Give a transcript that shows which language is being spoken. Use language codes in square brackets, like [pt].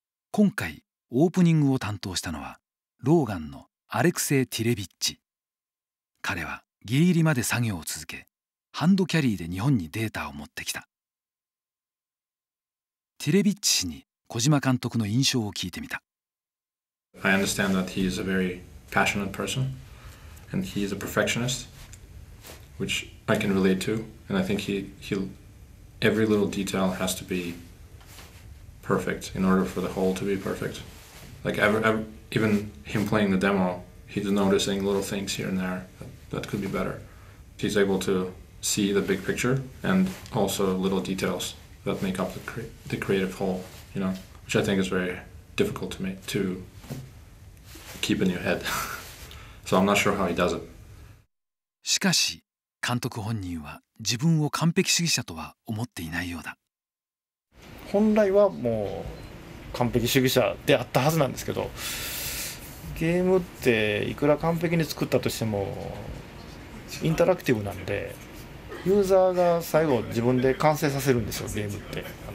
[ja] 今回オープニングを担当したのはローガンのアレクセイ・ティレビッチ。彼はギリギリまで作業を続け、ハンドキャリーで日本にデータを持ってきた。ティレビッチ氏に小島監督の印象を聞いてみた。 [en] I understand that he is a very passionate person and he is a perfectionist, which I can relate to, and I think every little detail has to be perfect in order for the whole to be perfect. Like even him playing the demo, he's noticing little things here and there that could be better. He's able to see the big picture and also little details that make up the creative whole, you know, which I think is very difficult to make, to keep in your head. So I'm not sure how he does it. [ja] しかし、監督本人は自分を完璧主義者とは思っていないようだ。本来はもう完璧主義者であったはずなんですけど、ゲームっていくら完璧に作ったとしてもインタラクティブなので、ユーザーが最後自分で完成させるんですよ、ゲームって。